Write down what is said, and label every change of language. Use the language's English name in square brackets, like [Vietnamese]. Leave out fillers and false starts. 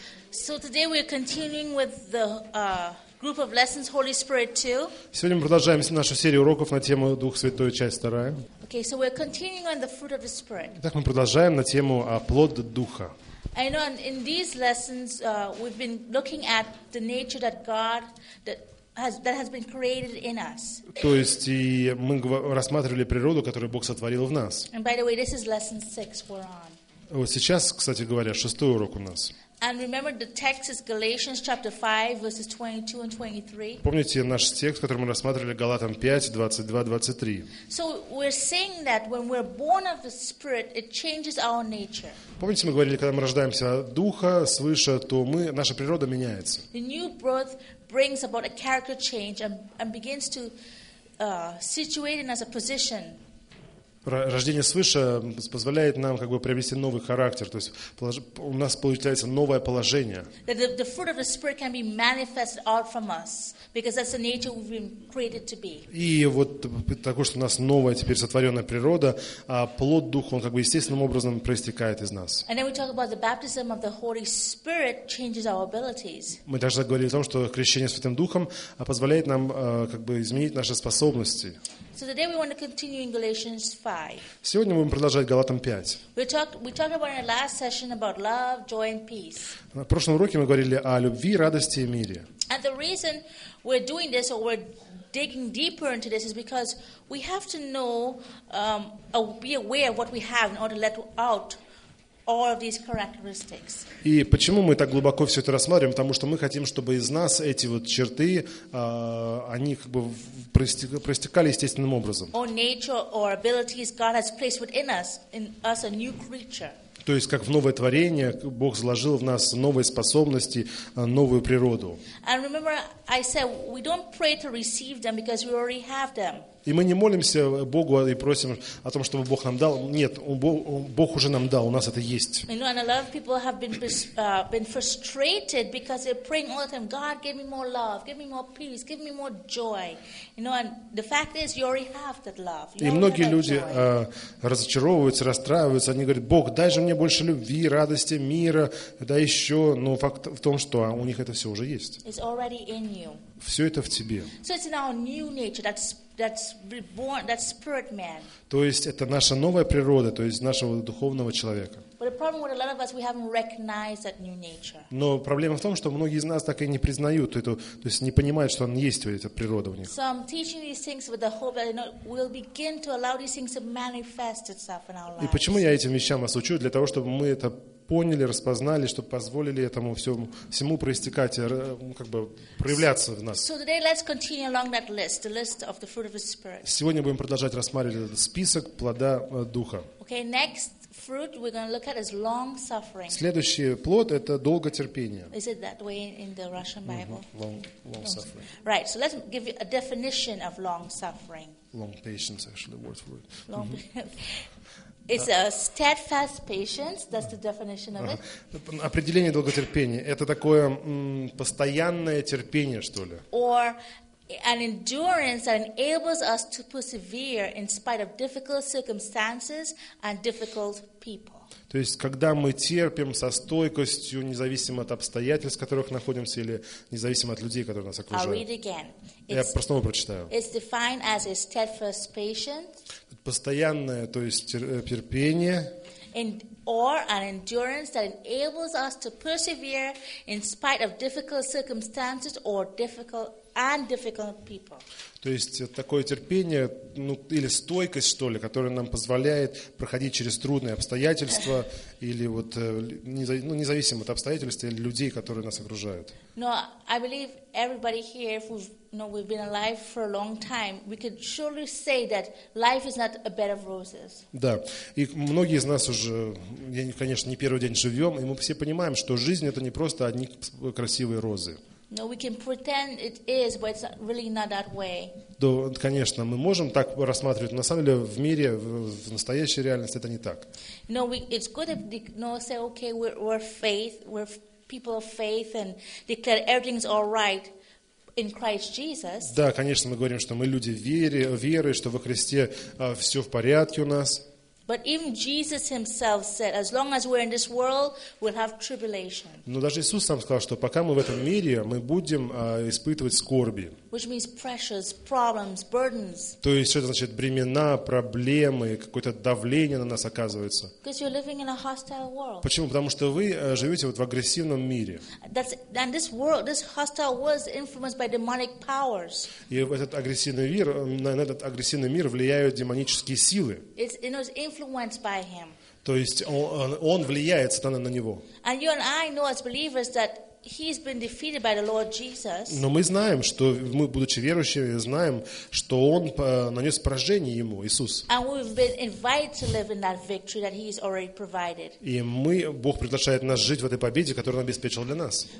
[English] So today we're continuing with the group of lessons, Holy Spirit 2. [Russian] Сегодня мы продолжаем нашу серию уроков на тему Дух Святой, часть 2. [English] Okay, so we're continuing on the fruit of the Spirit. [Russian] Итак, мы продолжаем на тему плод Духа. [English] I know in these lessons we've been looking at the nature that God that has been created in us. [Russian] То есть и мы рассматривали природу, которую Бог сотворил в нас. [English] And by the way, this is lesson 6 we're on. [Russian] Вот сейчас, кстати говоря, шестой урок у нас. [English] And remember the text is Galatians chapter 5 verses 22 and 23. [Russian] Помните наш текст, который мы рассматривали, Галатам 5:22-23. [English] So we're saying that when we're born of the Spirit, it changes our nature. [Russian] Помните, мы говорили, когда мы рождаемся от Духа свыше, то мы наша природа меняется. [English] The new birth brings about a character change and begins to situate in us a position. [Russian] Рождение свыше позволяет нам как бы приобрести новый характер, то есть у нас получается новое положение. [English] The fruit of the Spirit can be manifested out from us, because that's the nature we've been created to be. [Russian] И вот такое, что у нас новая теперь сотворенная природа, а плод Духа, он как бы естественным образом проистекает из нас. [English] And then we talk about the baptism of the Holy Spirit changes our abilities. [Russian] Мы также говорили о том, что крещение Святым Духом позволяет нам как бы изменить наши способности. [English] So today we want to continue in Galatians 5. [Russian] Сегодня мы будем продолжать Галатам 5. [English] We talked about in our last session about love, joy and peace. [Russian] На прошлом уроке мы говорили о любви, радости и мире. [English] And the reason we're doing this or we're digging deeper into this is because we have to know be aware of what we have in order to let out all of these characteristics. [Russian] И почему мы так глубоко все это рассматриваем? Потому что мы хотим, чтобы из нас эти вот черты, они как бы проистекали естественным образом. [English] Or nature or abilities God has placed within us, in us a new creature. [Russian] То есть как в новое творение Бог заложил в нас новые способности, новую природу. [English] And remember, I said we don't pray to receive them because we already have them. [Russian] И мы не молимся Богу и просим о том, чтобы Бог нам дал. Нет, Бог уже нам дал, у нас это есть. [English] You know, and a lot of people have been frustrated because they're praying all the time, God, give me more love, give me more peace, give me more joy. You know, and the fact is, you already have that love. [Russian] И многие люди разочаровываются, расстраиваются. Они говорят, Бог, дай же мне больше любви, радости, мира, да еще. Но факт в том, что у них это все уже есть. [English] It's already in you. [Russian] Все это в тебе. [English] So it's in our new nature, that's reborn, that spirit man. [Russian] То есть это наша новая природа, то есть нашего духовного человека. [English] But the problem with a lot of us, we haven't recognized that new nature. [Russian] Но проблема в том, что многие из нас так и не признают эту, то есть не понимают, что он есть, эта природа у них. [English] So I'm teaching these things with the hope that we'll begin to allow these things to manifest itself in our lives. [Russian] И почему я этим вещам вас учу? Для того, чтобы мы это поняли, распознали, чтобы позволили этому всему проистекать, как бы проявляться в нас. [English] So today let's continue along that list, the list of the fruit of the Spirit. [Russian] Сегодня будем продолжать рассматривать этот список плода Духа. [English] Okay, next fruit we're going to look at is long suffering. [Russian] Следующий плод – это долготерпение. [English] Is it that way in the Russian Bible? Mm-hmm. Long suffering. Right, so let's give you a definition of long suffering. Long patience, actually, word for it. Long patience. It's a steadfast patience. That's the definition of it. [Russian] Определение долготерпения. Это такое постоянное терпение, что ли? [English] Or an endurance that enables us to persevere in spite of difficult circumstances and difficult people. [Russian] То есть, когда мы терпим со стойкостью, независимо от обстоятельств, в которых находимся, или независимо от людей, которые нас окружают. [English] I'll read again. [Russian] Я снова прочитаю. [English] It's defined as a steadfast patience. [Russian] Постоянное, то есть терпение. [English] Or an endurance that enables us to persevere in spite of difficult circumstances or difficult people. [Russian] То есть такое терпение, ну или стойкость, что ли, которая нам позволяет проходить через трудные обстоятельства или вот независимо от обстоятельств или людей, которые нас окружают. [English] No, I believe everybody here, if we've been alive for a long time, we could surely say that life is not a bed of roses. [Russian] Да, и многие из нас уже, я, конечно, не первый день живем, и мы все понимаем, что жизнь это не просто одни красивые розы. [English] No, we can pretend it is, but it's really not that way. [Russian] Да, конечно, мы можем так рассматривать, но на самом деле в мире, в настоящей реальности это не так. [English] No, it's good if they say, okay, we're people of faith and declare everything's all right in Christ Jesus. [Russian] Да, конечно, мы говорим, что мы люди веры, что во Христе все в порядке у нас. [English] But even Jesus himself said, as long as we're in this world, we'll have tribulation. [Russian] Но даже Иисус сам сказал, что пока мы в этом мире, мы будем испытывать скорби. [English] Which means pressures, problems, burdens. [Russian] То есть что это значит бремена, проблемы, какое-то давление на нас оказывается. [English] Because you're living in a hostile world. [Russian] Почему? Потому что вы живете вот в агрессивном мире. [English] And this world, this hostile world is influenced by demonic powers. [Russian] И этот агрессивный мир, на этот агрессивный мир влияют демонические силы. [English] Influenced by him. [Russian] То есть он влияет сатана на него. [English] And you and I know as believers that he's been defeated by the Lord Jesus. [Russian] Но мы знаем, что мы, будучи верующими, знаем, что он нанес поражение ему, Иисус. [English] And we've been invited to live in that victory that he's already provided. [Russian] И мы, Бог приглашает нас жить в этой победе, которую он обеспечил для нас.